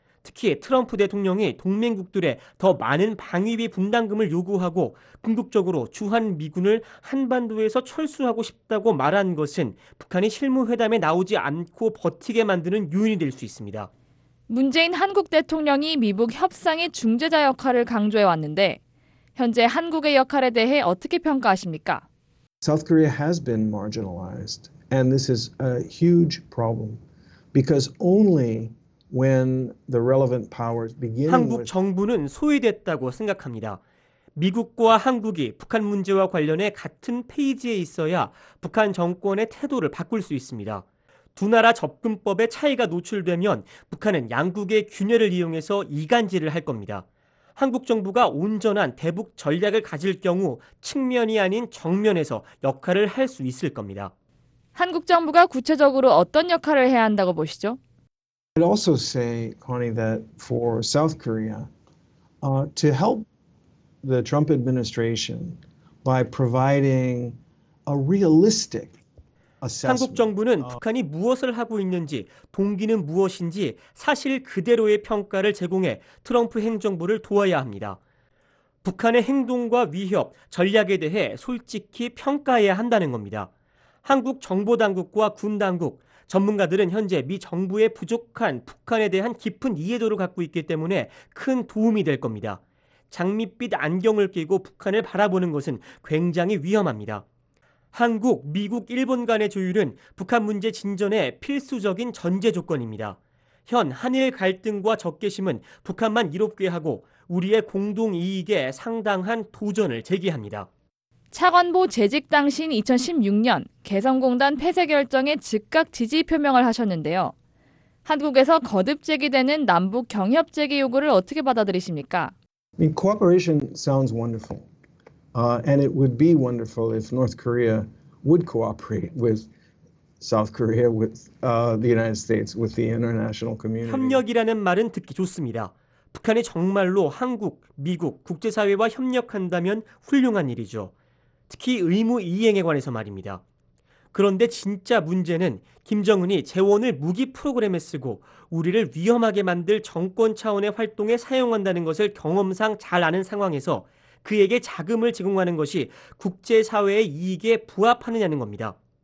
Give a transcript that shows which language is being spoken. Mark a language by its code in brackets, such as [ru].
[ko] 특히 트럼프 대통령이 동맹국들의 더 많은 방위비 분담금을 요구하고 궁극적으로 주한 미군을 한반도에서 철수하고 싶다고 말한 것은 북한이 실무회담에 나오지 않고 버티게 만드는 요인이 될 수 있습니다. 문재인 한국 대통령이 미국 협상의 중재자 역할을 강조해 왔는데 현재 한국의 역할에 대해 어떻게 평가하십니까? [en] South Korea has been marginalized and this is a huge problem because only when the relevant powers begin [ko] 한국 정부는 소외됐다고 생각합니다. 미국과 한국이 북한 문제와 관련해 같은 페이지에 있어야 북한 정권의 태도를 바꿀 수 있습니다. 두 나라 접근법의 차이가 노출되면 북한은 양국의 균열을 이용해서 이간질을 할 겁니다. 한국 정부가 온전한 대북 전략을 가질 경우 측면이 아닌 정면에서 역할을 할 수 있을 겁니다. 한국 정부가 구체적으로 어떤 역할을 해야 한다고 보시죠? [en] I'd also say, Connie, that for South Korea, to help the Trump administration by providing a realistic assessment. [ko] 한국 정부는 북한이 무엇을 하고 있는지, 동기는 무엇인지 사실 그대로의 평가를 제공해 트럼프 행정부를 도와야 합니다. 북한의 행동과 위협, 전략에 대해 솔직히 평가해야 한다는 겁니다. 한국 정보당국과 군당국, 전문가들은 현재 미 정부의 부족한 북한에 대한 깊은 이해도를 갖고 있기 때문에 큰 도움이 될 겁니다. 장밋빛 안경을 끼고 북한을 바라보는 것은 굉장히 위험합니다. 한국, 미국, 일본 간의 조율은 북한 문제 진전에 필수적인 전제 조건입니다. 현 한일 갈등과 적개심은 북한만 이롭게 하고 우리의 공동 이익에 상당한 도전을 제기합니다. 차관보 재직 당시인 2016년 개성공단 폐쇄 결정에 즉각 지지 표명을 하셨는데요. 한국에서 거듭 제기되는 남북 경협 재개 요구를 어떻게 받아들이십니까? [en] I mean, cooperation sounds wonderful. And it would be wonderful if North Korea would cooperate with South Korea, with the United States, with the international community. [ko] 협력이라는 말은 듣기 좋습니다. 북한이 정말로 한국, 미국, 국제사회와 협력한다면 훌륭한 일이죠. 특히 의무 이행에 관해서 말입니다. 그런데 진짜 문제는 김정은이 재원을 무기 프로그램에 쓰고 우리를 위험하게 만들 정권 차원의 활동에 사용한다는 것을 경험상 잘 아는 상황에서 그에게 자금을 제공하는 것이 국제사회의 이익에 부합하느냐는 겁니다.